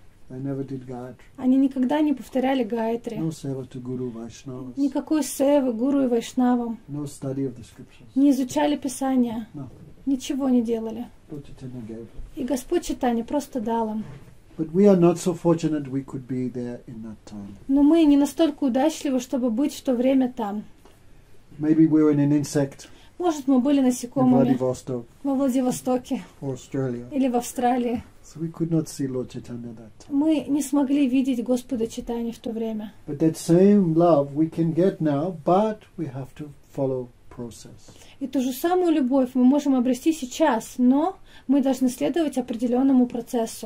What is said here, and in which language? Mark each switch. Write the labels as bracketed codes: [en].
[en] They never did Gayatri. [ru] Они никогда не повторяли Гайтри. [en] No seva to Guru Vaishnavas. [ru] Никакой севы Гуру и Вайшнавам. [en] No study of the scriptures. [ru] Не изучали Писания. [en] No. [ru] Ничего не делали. [en] Lord Chaitanya gave them. [ru] И Господь Чайтанья просто дал им. [en] But we are not so fortunate we could be there in that time. [ru] Но мы не настолько удачливы, чтобы быть в то время там. [en] Maybe we were an insect. [ru] Может, мы были насекомыми. [en] In Vladivostok. [ru] Во Владивостоке. [en] Or Australia. [ru] Или в Австралии. [en] So we could not see Lord Chaitanya at that time. [ru] Мы не смогли видеть Господа Чайтанью в то время. [en] But that same love we can get now, but we have to follow process. [ru] И ту же самую любовь мы можем обрести сейчас, но мы должны следовать определенному процессу.